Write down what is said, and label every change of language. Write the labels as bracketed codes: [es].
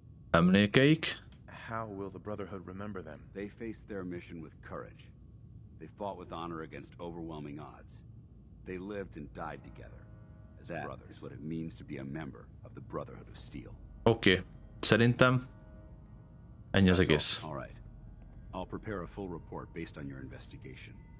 [hu] Emlékeik. [en] How will the Brotherhood remember them? They faced their mission with courage. They fought with honor against overwhelming odds. They lived and died together. That is what it means to be a member of the Brotherhood of Steel. Okay. [hu] Szerintem ennyi az egész. [en] All right. I'll prepare a full report based on your investigation.